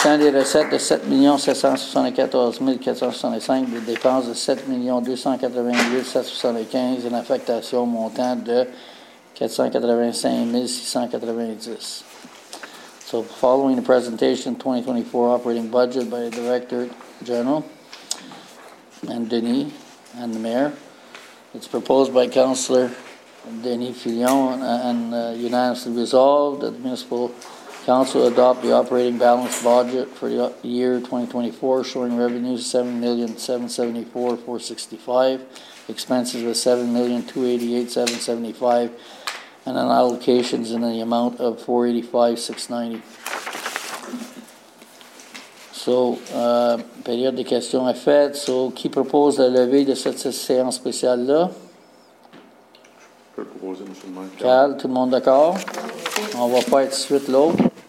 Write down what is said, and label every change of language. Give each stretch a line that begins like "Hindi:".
French: bilan des recettes de 7,774,465, des dépenses de 7,288,775 et une affectation montant de 485,690.
English: So, following the presentation, 2024 operating budget by the Director General and Denis and the Mayor. It's proposed by Councillor Denis Filion and unanimously resolved that the Municipal Council adopt the operating balance budget for the year 2024, showing revenues of $7,774,465, expenses of $7,288,775, and an allocations in the amount of $485,690. So,
French: période de questions est faite. So, qui propose la levée de cette séance spéciale-là? Je propose, M. le maire. Cal, tout le monde d'accord? On va faire tout de suite l'autre.